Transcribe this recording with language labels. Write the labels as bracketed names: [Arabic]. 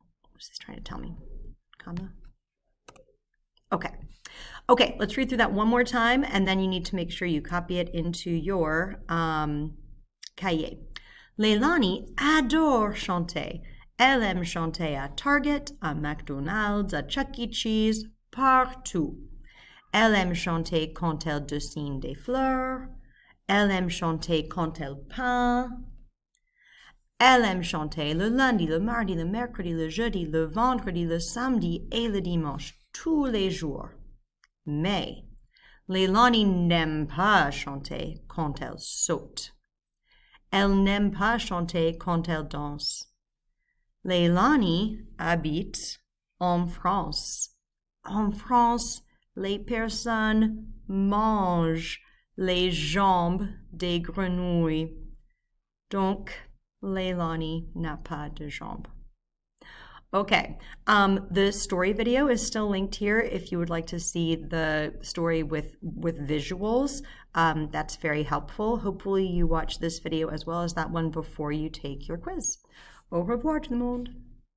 [English] What is this trying to tell me? Comma? Okay. Okay, let's read through that one more time, and then you need to make sure you copy it into your cahier. [French] Leilani adore chanter. Elle aime chanter à Target, à McDonald's, à Chuck E. Cheese, partout. Elle aime chanter quand elle dessine des fleurs. Elle aime chanter quand elle peint. Elle aime chanter le lundi, le mardi, le mercredi, le jeudi, le vendredi, le samedi et le dimanche, tous les jours. Mais Leilani n'aime pas chanter quand elle saute. Elle n'aime pas chanter quand elle danse. Leilani habite en France. En France, les personnes mangent les jambes des grenouilles. Donc, Leilani n'a pas de jambes. [English] Okay, the story video is still linked here if you would like to see the story with visuals. That's very helpful. Hopefully you watch this video as well as that one before you take your quiz. [French] Au revoir tout le monde.